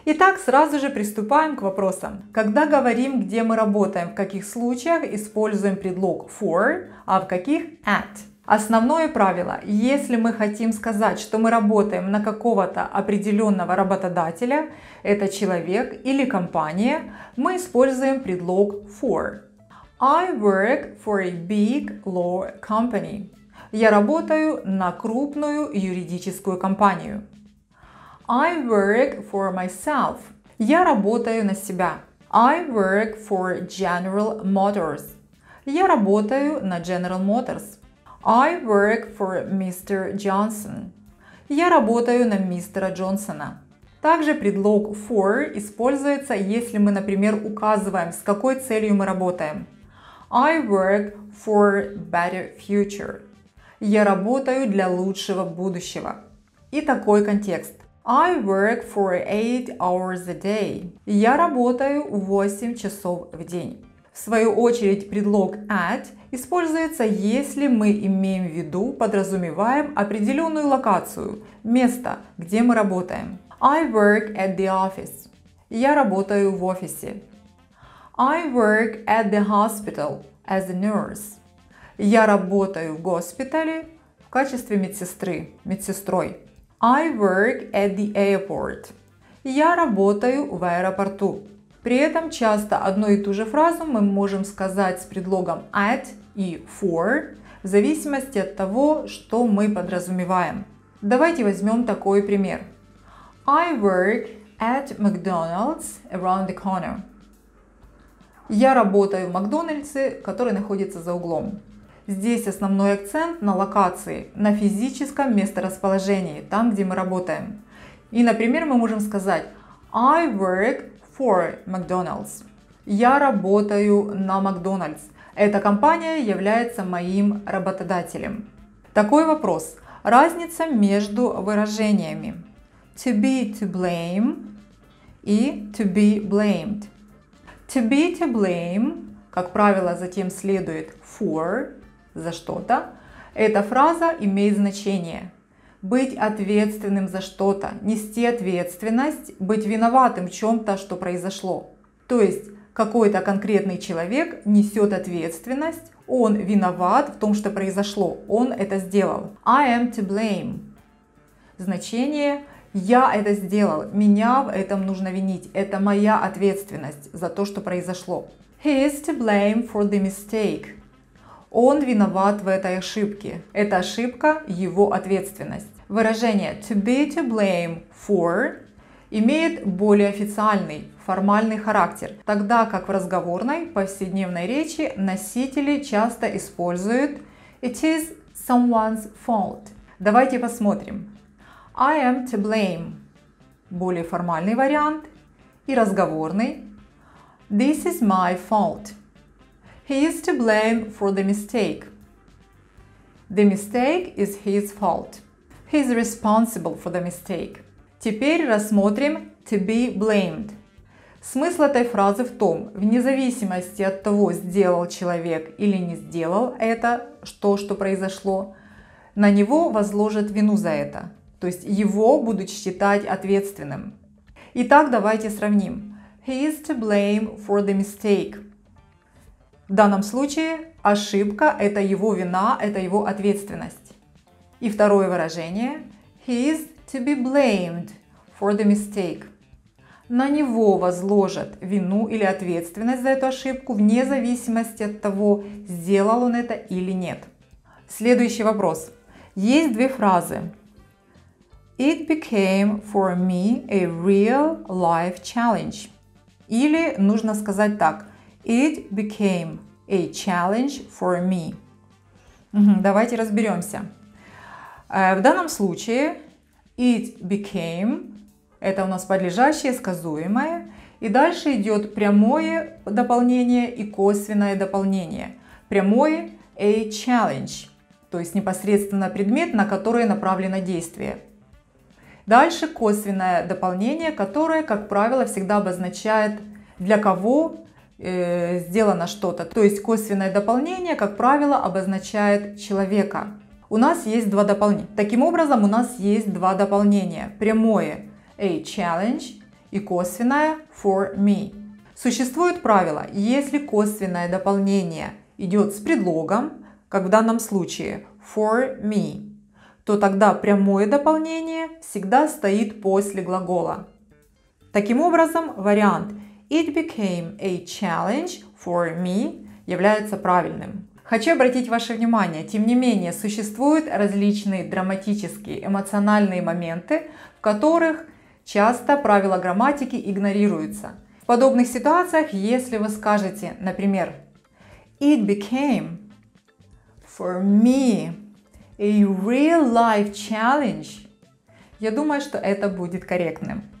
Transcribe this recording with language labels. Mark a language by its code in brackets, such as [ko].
[ru] Итак, сразу же приступаем к вопросам. Когда говорим, где мы работаем, в каких случаях используем предлог for, а в каких at? Основное правило. Если мы хотим сказать, что мы работаем на какого-то определенного работодателя, это человек или компания, мы используем предлог for. [en] I work for a big law company. [ru] Я работаю на крупную юридическую компанию. [en] I work for myself. [ru] Я работаю на себя. [en] I work for General Motors. [ru] Я работаю на General Motors. [en] I work for Mr. Johnson. [ru] Я работаю на мистера Джонсона. Также предлог for используется, если мы, например, указываем, с какой целью мы работаем. [en] I work for better future. [ru] Я работаю для лучшего будущего. И такой контекст. [en] I work for 8 hours a day. [ru] Я работаю 8 часов в день. В свою очередь предлог at используется, если мы имеем в виду, подразумеваем определенную локацию, место, где мы работаем. [en] I work at the office. [ru] Я работаю в офисе. [en] I work at the hospital as a nurse. [ru] Я работаю в госпитале в качестве медсестры, медсестрой. [en] I work at the airport. [ru] Я работаю в аэропорту. При этом часто одну и ту же фразу мы можем сказать с предлогом at и for, в зависимости от того, что мы подразумеваем. Давайте возьмем такой пример. [en] I work at McDonald's around the corner. [ru] Я работаю в Макдональдсе, который находится за углом. Здесь основной акцент на локации, на физическом месторасположении, там, где мы работаем. И, например, мы можем сказать [en] I work for McDonald's. [ru] Я работаю на Макдональдс. Эта компания является моим работодателем. Такой вопрос. Разница между выражениями to be to blame и to be blamed. To be to blame, как правило, затем следует for, за что-то. Эта фраза имеет значение. Быть ответственным за что-то, нести ответственность, быть виноватым в чем-то, что произошло. То есть, какой-то конкретный человек несет ответственность, он виноват в том, что произошло, он это сделал. [en] I am to blame. [ru] Значение – я это сделал, меня в этом нужно винить, это моя ответственность за то, что произошло. [en] He is to blame for the mistake. [ru] Он виноват в этой ошибке, эта ошибка – его ответственность. Выражение to be to blame for имеет более официальный, формальный характер, тогда как в разговорной, повседневной речи носители часто используют [en] it is someone's fault. [ru] Давайте посмотрим. [en] I am to blame. [ru] Более формальный вариант и разговорный. [en] This is my fault. He is to blame for the mistake. The mistake is his fault. He is responsible for the mistake. [ru] Теперь рассмотрим [en] to be blamed. [ru] Смысл этой фразы в том, вне зависимости от того, сделал человек или не сделал это, что произошло, на него возложат вину за это. То есть его будут считать ответственным. Итак, давайте сравним. [en] He is to blame for the mistake. [ru] В данном случае ошибка – это его вина, это его ответственность. И второе выражение. [en] He is to be blamed for the mistake. [ru] На него возложат вину или ответственность за эту ошибку, вне зависимости от того, сделал он это или нет. Следующий вопрос. Есть две фразы. [en] It became for me a real life challenge. [ru] Или нужно сказать так. [en] It became a challenge for me. [ru] Давайте разберемся. В данном случае it became, это у нас подлежащее, сказуемое. И дальше идет прямое дополнение и косвенное дополнение. Прямое a challenge, то есть непосредственно предмет, на который направлено действие. Дальше косвенное дополнение, которое, как правило, всегда обозначает, для кого сделано что-то. То есть косвенное дополнение, как правило, обозначает человека. У нас есть два дополнения. Таким образом, у нас есть два дополнения. Прямое «a challenge» и косвенное «for me». Существует правило, если косвенное дополнение идет с предлогом, как в данном случае «for me», то тогда прямое дополнение всегда стоит после глагола. Таким образом, вариант [en] «It became a challenge for me» [ru] является правильным. Хочу обратить ваше внимание, тем не менее, существуют различные драматические, эмоциональные моменты, в которых часто правила грамматики игнорируются. В подобных ситуациях, если вы скажете, например, [en] «It became for me a real life challenge», [ru] я думаю, что это будет корректным.